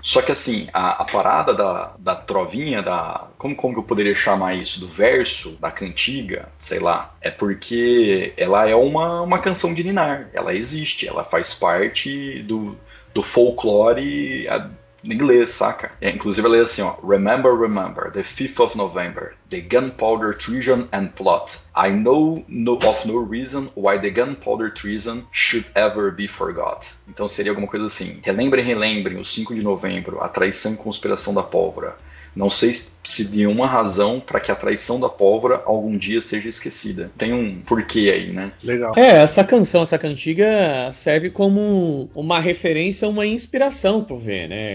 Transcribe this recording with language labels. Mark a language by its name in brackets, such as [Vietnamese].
[Portuguese] Só que assim, a parada da trovinha, da... Como que eu poderia chamar isso? Do verso, da cantiga, sei lá. É porque ela é uma canção de ninar. Ela existe, ela faz parte do folclore... Em inglês, saca? É, inclusive ela é assim, ó. [English] Remember, remember, the 5th of November, the gunpowder treason and plot. I know of no reason why the gunpowder treason should ever be forgot. [Portuguese] Então seria alguma coisa assim. Relembrem, o 5 de novembro, a traição e conspiração da pólvora. Não sei se de uma razão para que a traição da pólvora algum dia seja esquecida. Tem um porquê aí, né? Legal. É, essa canção, essa cantiga serve como uma referência, uma inspiração pro V, né?